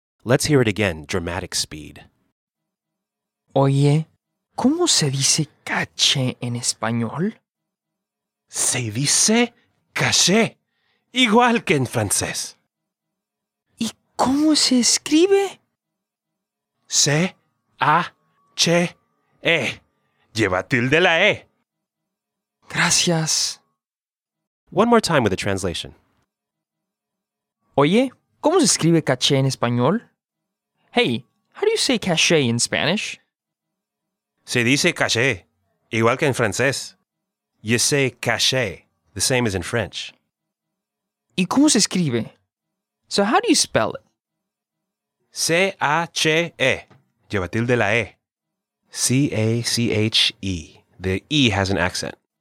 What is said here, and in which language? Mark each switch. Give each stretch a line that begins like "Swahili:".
English: Let's hear it again, dramatic speed.
Spanish: Oye, ¿cómo se dice caché en español? Se dice caché, igual que en francés. ¿Y cómo se escribe? C-A-C-E. Lleva tilde la E. Gracias.
English: One more time with the translation.
Spanish: Oye, ¿cómo se escribe caché en español?
English: Hey, how do you say cachet in Spanish?
Spanish: Se dice caché, igual que en francés.
English: You say caché, the same as in French.
Spanish: ¿Y cómo se escribe?
English: So how do you spell it?
Spanish: C-A-C-E. Lleva tilde la E.
English: C-A-C-H-E. The E has an accent.